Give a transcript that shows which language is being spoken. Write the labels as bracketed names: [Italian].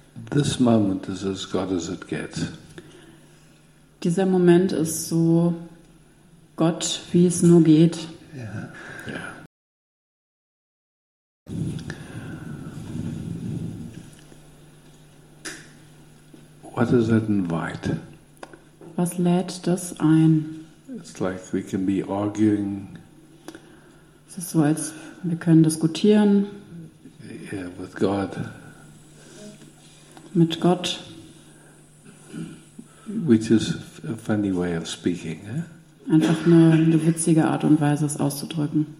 [English] This moment is as God as it gets. [German] Dieser Moment ist so Gott, wie es nur geht. [English] Yeah. What does that invite? [German] Was lädt das ein? [English] It's like we can be arguing. [German] Es ist so, als wir können diskutieren. [English] Yeah, with God. [German] Mit Gott. [English] Which is a funny way of speaking, eh? [German] Einfach nur eine witzige Art und Weise, es auszudrücken.